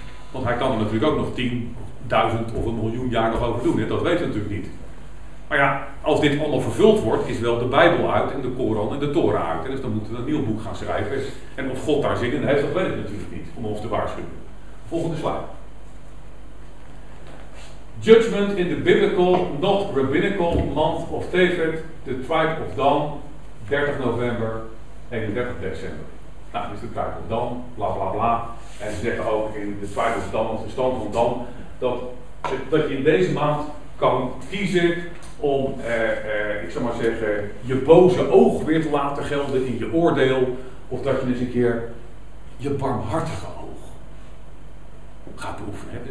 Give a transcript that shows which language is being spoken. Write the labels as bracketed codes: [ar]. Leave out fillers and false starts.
[nl] Want hij kan er natuurlijk ook nog 10.000 of 1 miljoen jaar nog over doen, dat weten we natuurlijk niet. Maar ja, als dit allemaal vervuld wordt, is wel de Bijbel uit en de Koran en de Torah uit. En dus dan moeten we een nieuw boek gaan schrijven. En of God daar zin in heeft, dat weet ik natuurlijk niet, om ons te waarschuwen. Volgende slide. [en] Judgment in the biblical, not rabbinical, month of Tevet, the tribe of Dan, 30 november, 31 december. [nl] Nou, dus de [en] tribe of Dan, [nl] bla bla bla. En ze zeggen ook in de [en] tribe of Dan, [nl] of de stam van Dan, dat je in deze maand kan kiezen om, ik zal maar zeggen, je boze oog weer te laten gelden in je oordeel, of dat je eens een keer je barmhartige oog gaat beoefenen.